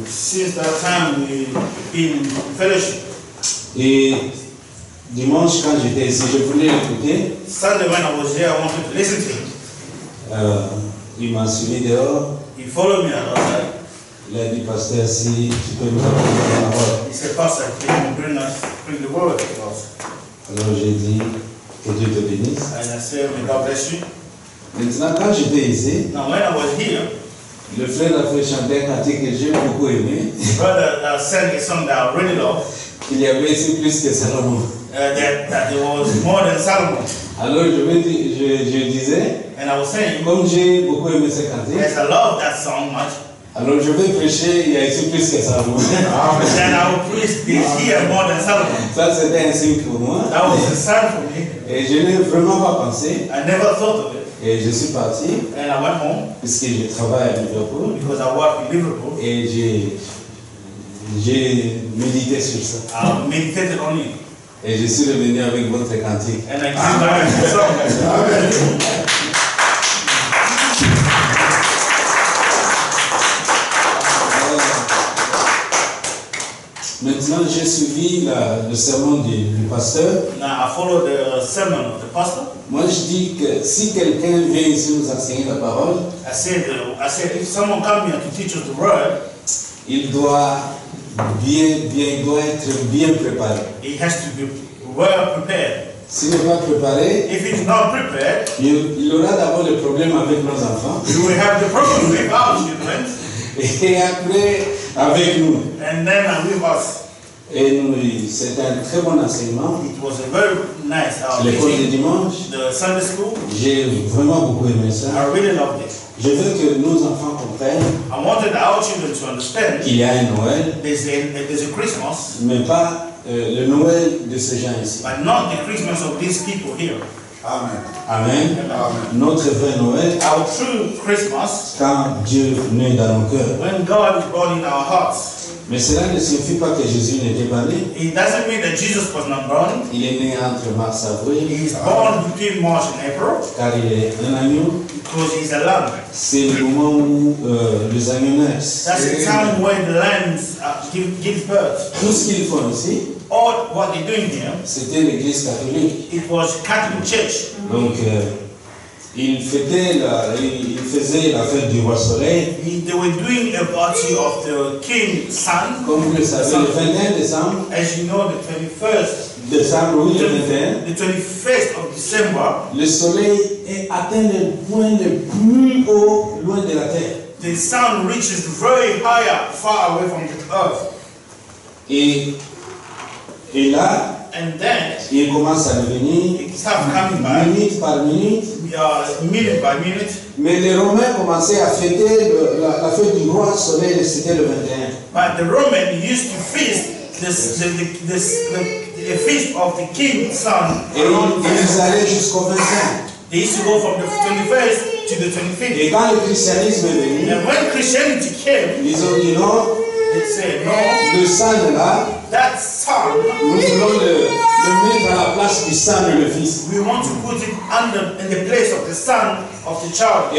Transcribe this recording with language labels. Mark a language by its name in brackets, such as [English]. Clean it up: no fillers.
[English] Since that time, we've been in fellowship. [French] Et dimanche, quand j'étais ici, je voulais l'écouter. [English] Sunday, when I was here, I wanted to listen to him. [French] Il m'a suivi dehors. [English] He followed me outside. [French] Il a dit, pasteur, si tu peux nous apporter la parole. [English] He said, pastor, can you bring us, bring the word to us? [French] Alors j'ai dit, que Dieu te bénisse. [English] And I said, may God bless you. [French] Maintenant, quand j'étais ici, [English] now when I was here, [French] le frère a fait chanter un cantique que j'ai beaucoup aimé. [English] The brother sang a song that I really love. [French] Qu'il y avait ici plus que Salomon. [English] That it was more than Salomon. [French] Alors je disais, [English] and I was saying, [French] comme j'ai beaucoup aimé ce cantique, [English] yes, I love that song much. [French] Alors je vais prêcher, il y a ici plus que Salomon. [English] Then I will preach this here more than Salomon. [French] Ça c'était un signe pour moi. [English] That was a sign for me. [French] Et je n'ai vraiment pas pensé. [English] I never thought of it. [French] Et je suis parti. [English] And I went home. [French] Puisque je travaille à Liverpool. [English] Because I work in Liverpool. [French] Et j'ai médité sur ça. [English] I meditated on it. [French] Et je suis revenu avec votre cantique. [English] And I came back with the song. Amen. [French] Maintenant, j'ai suivi le sermon du pasteur. [English] Now, I follow the sermon of the pastor. [French] Moi, je dis que si quelqu'un vient ici nous enseigner la parole, [English] I said, if someone comes here to teach us the word, [French] il doit bien préparé. [English] He has to be well prepared. [French] S'il n'est pas préparé, [English] if he's not prepared, [French] il aura d'abord le problème avec nos enfants. [English] He will have the problem with our children. [French] Et après, avec nous. [English] And then with us. [French] Et nous, c'est un très bon enseignement. [English] It was a very nice. [French] L'école du dimanche. [English] The Sunday school. [French] J'ai vraiment beaucoup aimé ça. [English] I really loved it. [French] Je veux que nos enfants comprennent. [English] I wanted our children to understand. [French] Qu'il y a un Noël. [English] There's a Christmas. [French] Mais pas le Noël de ces gens ici. [English] But not the Christmas of these people here. Amen. Amen. [French] Notre vrai Noël. [English] Our true Christmas. [French] Quand Dieu naît dans nos cœurs. [English] When God is born in our hearts. [French] Mais cela ne signifie pas que Jésus n'était pas né. [English] It doesn't mean that Jesus was not born. [French] Il est né entre mars et avril. [English] He is born between March and April. [French] Car il est un agneau. [English] Because he's a lamb. [French] C'est le moment où les agneaux naissent. [English] That's the time when the lambs give birth. [French] Tout ce qu'ils font ici. [English] All what they're doing here. [French] C'était l'église catholique. [English] It was Catholic church. [French] Donc, il faisait la fête du roi soleil. [English] They were doing a party of the king's son. [French] Comme vous le savez, le 21 décembre. [English] As you know, the 21st. [French] Décembre, oui, le 21. [English] The 21st of December. [French] Le soleil est atteint le point le plus haut loin de la terre. [English] The sun reaches very higher, far away from the earth. [French] Et là, [English] and then, [French] il commence à revenir, minute par minute. [English] Minute by minute. [French] Mais les Romains commençaient à fêter la fête du roi soleil, c'était le 21. [English] But the Romans used to feast the feast of the king's son. [French] Et ils allaient jusqu'au 21. [English] They used to go from the 21st to the 25th. [French] Et quand le christianisme est venu, [English] and when Christianity came, [French] ils ont dit non. [English] They said no. [French] Le sang de là. [English] That son. [French] Nous voulons le mettre à la place du son et le fils. [English] We want to put it under in the place of the son of the child.